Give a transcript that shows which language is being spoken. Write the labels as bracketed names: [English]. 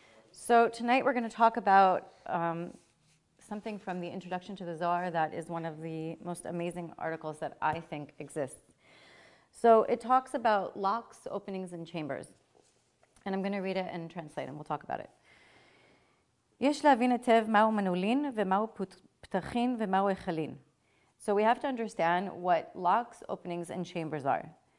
[English] So tonight we're going to talk about something from the Introduction to the Tsar that is one of the most amazing articles that I think exists. So it talks about locks, openings, and chambers. And I'm going to read it and translate and we'll talk about it. [Hebrew] יש להבין היטב מהו מנעולין ומהו פתחין ומהו היכלין. [English] So we have to understand what locks, openings, and chambers are.